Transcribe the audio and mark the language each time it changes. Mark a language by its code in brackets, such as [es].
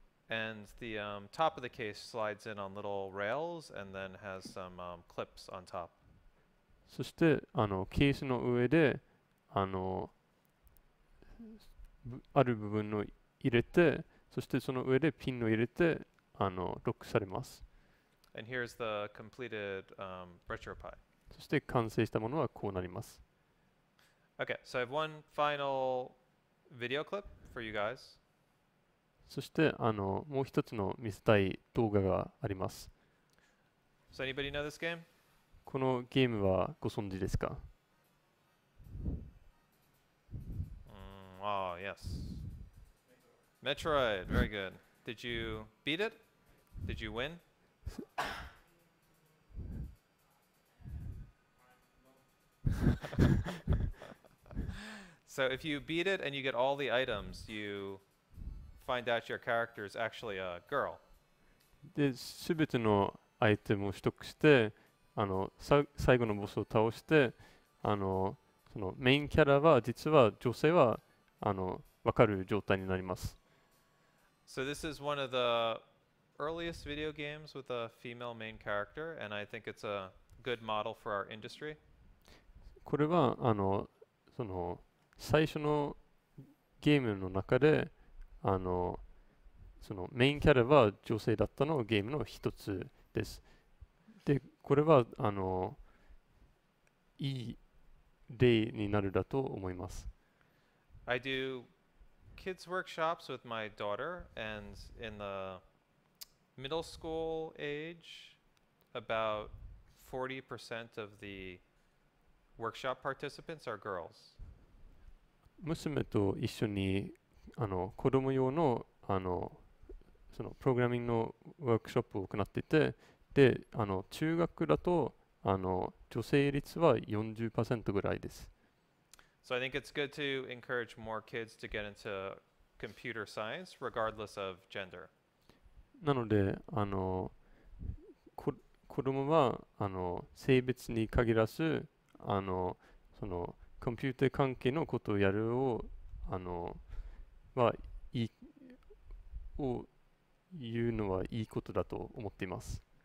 [en] And the top of the case slides in on little rails and then has some clips on top. [ja] そしてあのケースの上であのある部分を入れてそしてその上でピンを入れてあのロックされます。 [en] And here's the completed RetroPi. [ja] そして完成したものはこうなります。 [en] Okay, so I have one final video clip for you guys. [ja] そしてあのもう一つの見せたい動画があります。 [en] So anybody know this game? [ja] このゲームはご存知ですか? [en] Yes. Metroid, very good. Did you beat it? Did you win? So if you beat it and you get all the items, you find out your character is actually a girl. [ja] で、すべてのアイテムを取得して、あの、最後のボスを倒して、あの、そのメインキャラは実は女性は、あの、わかる状態になります。 [en] So this is one of the earliest video games with a female main character, and I think it's a good model for our industry. [ja] これはあのその最初のゲームの中で、あのそのメインキャラは女性だったのゲームの一つです。で、これはあのいい例になるだと思います。 [en] I do kids workshops with my daughter, and in the middle school age, about 40% of the workshop participants are girls. [ja] 娘と一緒にあの子供用のあのそのプログラミングのワークショップを行っていて、で、あの中学だとあの女性率は 40% ぐらいです。 [en] So I think it's good to encourage more kids to get into computer science, regardless of gender. [ja] なので、あの子供はあの性別に限らず、あのそのコンピューター関係のことをやるをあのはいいを言うのはいいことだと思っています。